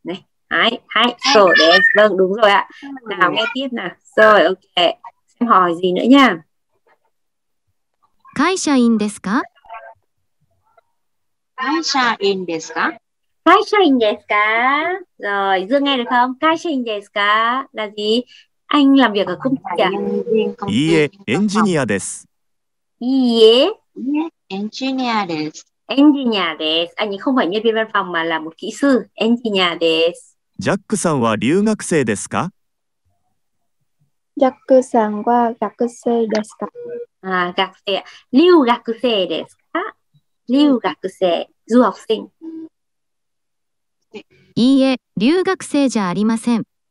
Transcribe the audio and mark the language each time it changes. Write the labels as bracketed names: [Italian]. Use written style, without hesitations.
[Vietnamese] Này. [Japanese] Hay, hay, so desu. [Vietnamese] Vâng, đúng rồi ạ. Nào nghe tiếp nào. Rồi, ok. Xem hỏi gì nữa nhá. [Japanese] 会社員ですか? 会社員ですか? 会社員ですか? [Vietnamese] Rồi, Dương nghe được không? [Japanese] 会社員ですか? [Vietnamese] Là gì? Anh làm việc ở công ty à? [Japanese] いいえ、エンジニアです。いいえ、エンジニアです。エンジニアです。 [Vietnamese] Anh ấy không phải nhân viên văn phòng mà là một kỹ sư. [Japanese] エンジニアです。ジャックさんは留学生ですか? ジャックさんは学生ですか? À, 学生。留学生ですか?留学生。 [Vietnamese] Du học sinh. [Japanese] いいえ、留学生じゃありません。